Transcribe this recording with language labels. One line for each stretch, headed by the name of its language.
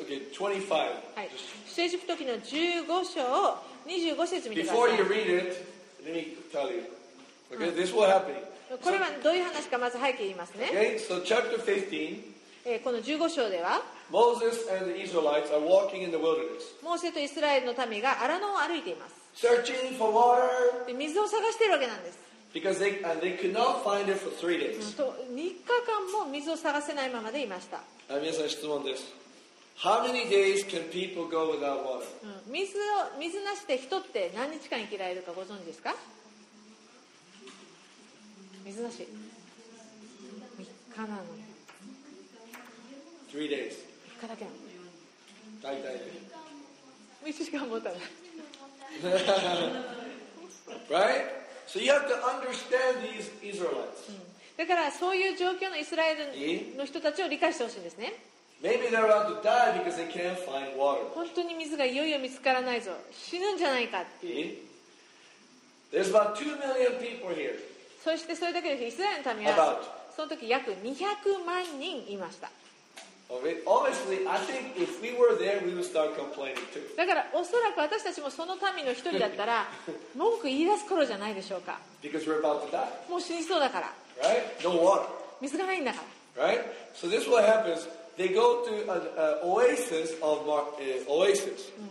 Japanese: 出エジプト記の15章を25節見てください。
English: Before you read it, let me tell you. Okay, this will happen.
Japanese: これはどういう話かまず背景言いますね。
English: Okay, so chapter 15.
Japanese: この15章では、
English: Moses and the Israelites are walking in the wilderness.
Japanese: モーセとイスラエルの民がアラノを歩いています。
English: Searching for water.
Japanese: 水を探しているわけなんです。
English: Because they could not find it for three days.
Japanese: 3日間も水を探せないままでいました。皆さん質問です。
English: How many days can people go without water?
Japanese: 水なしで人って何日間生きられるかご存知ですか？水なし。カナン。
English: Three days. カナケン。
Japanese: 大体。一時間もたない。
English: Right? So you have to understand these Israelites.
Japanese: だからそういう状況のイスラエルの人たちを理解してほしいんですね。
English: Maybe they're about to die because they can't find water.
Japanese: 本当に水がいよいよ見つからないぞ。死ぬんじゃないかって。
English: There's about 2 million people here.
Japanese: そしてそれだけです。イスラエルの民は、about. その時約200万人いました。
English: Obviously, I think if we were there, we would start complaining too.
Japanese: だからおそらく私たちもその民の一人だったら文句言い出す頃じゃないでしょうか。
English: Because we're about to die.
Japanese: もう死にそうだから。
English: Right? No water.
Japanese: 水がないんだから。
English: Right? So this is what happens. They go to an oasis of oasis.